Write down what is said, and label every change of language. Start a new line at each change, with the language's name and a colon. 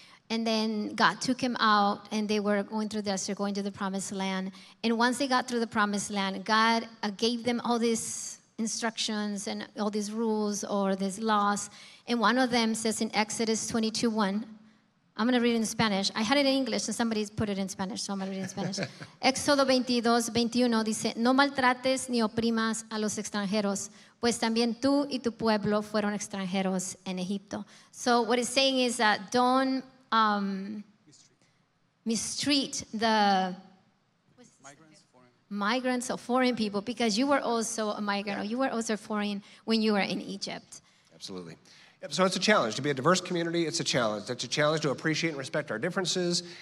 English: And then God took him out, and they were going through the desert, going to the promised land. And once they got through the promised land, God gave them all these instructions and all these rules or these laws. And one of them says in Exodus 22:1, I'm going to read it in Spanish. I had it in English, and somebody put it in Spanish, so I'm going to read it in Spanish.
Spanish: Éxodo 22:21 dice, no maltrates ni oprimas a los extranjeros, pues también tú y tu pueblo fueron extranjeros en Egipto.
English: So what it's saying is that don't mistreat the migrants or foreign people, because you were also a migrant, yeah, or you were also foreign when you were in Egypt. Absolutely. So it's a challenge to be a diverse community. It's a challenge. It's a challenge to appreciate and respect our differences.